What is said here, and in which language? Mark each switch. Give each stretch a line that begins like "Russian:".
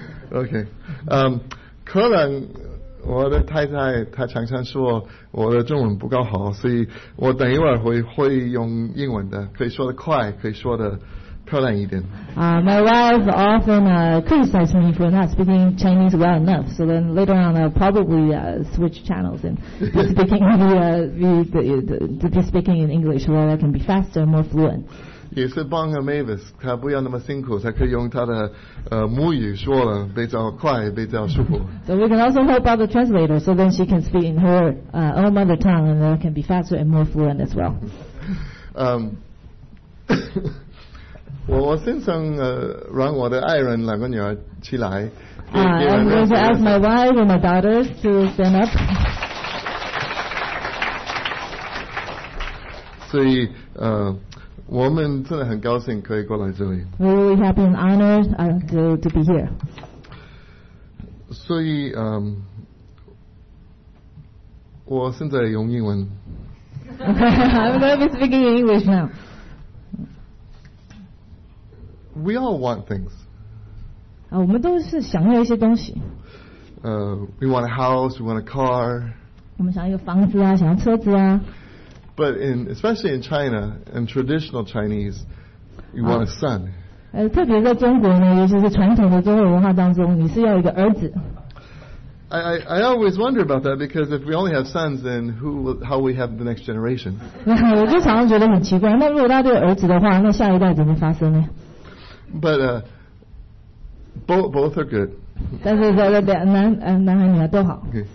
Chinese: Okay, 可能我的太太她常常说我的中文不够好，所以我等一会儿会用英文的，可以说得快，可以说得漂亮一点。
English: My wife often criticizes me for not speaking Chinese well enough. So then later on, I'll probably switch channels and be speaking in English so that I can be faster, more fluent.
Chinese: 也是帮了 Mavis， 她不要那么辛苦，她可以用她的母语说了，比较快，比较舒服。
English: So we can also help out the translator, so then she can speak in her own mother tongue, and then can be faster and more fluent as well.
Chinese: 我先生让我的爱人两个女儿起来。
English: I'm going to ask my wife and my daughters to stand up.
Chinese: 所以我们真的很高兴可以过来这里。
English: We're really happy and honored to be here.
Chinese: 所以我现在用英文。
English: I'm going to be speaking in English now. We all want things.
Chinese: 我们都是想要一些东西。
English: We want a house, we want a car.
Chinese: 我们想要一个房子啊，想要车子啊。
English: But especially in China, in traditional Chinese, you want a son.
Chinese: 特别在中国呢，尤其是传统的中国文化当中，你是要一个儿子。
English: I always wonder about that because if we only have sons, then how we have the next generation?
Chinese: 我就常常觉得很奇怪，那如果大家都有儿子的话，那下一代怎么发生呢？
English: But both are good.
Chinese: 但是说的男孩女孩都好。